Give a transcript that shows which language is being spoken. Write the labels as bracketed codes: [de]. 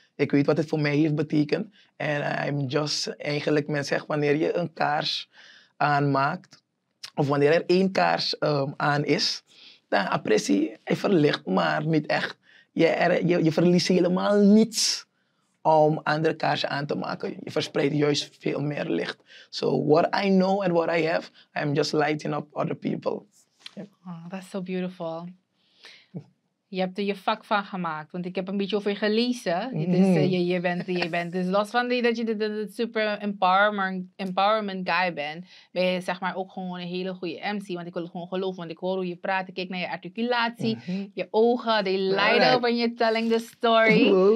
[nl] Ik weet wat het voor mij heeft betekend. En [en] I'm just, [nl] eigenlijk, men zegt, wanneer je een kaars aanmaakt. Of wanneer er één kaars aan is. Dan appressie, hij verlicht maar niet echt. Je verliest helemaal niets. Om andere kaarsen aan te maken. Je verspreidt juist veel meer licht. [en] So what I know and what I have, I'm just lighting up other people. Yeah. Oh, that's so beautiful. [nl] Je hebt er je vak van gemaakt. Want ik heb een beetje over je gelezen. Dus je bent. Dus los van dat je de super empowerment guy bent. Ben je zeg maar ook gewoon een hele goede MC. Want ik wil het gewoon geloven. Want ik hoor hoe je praat. Ik kijk naar je articulatie. Mm-hmm. Je ogen. [en] They light up when you're telling the story.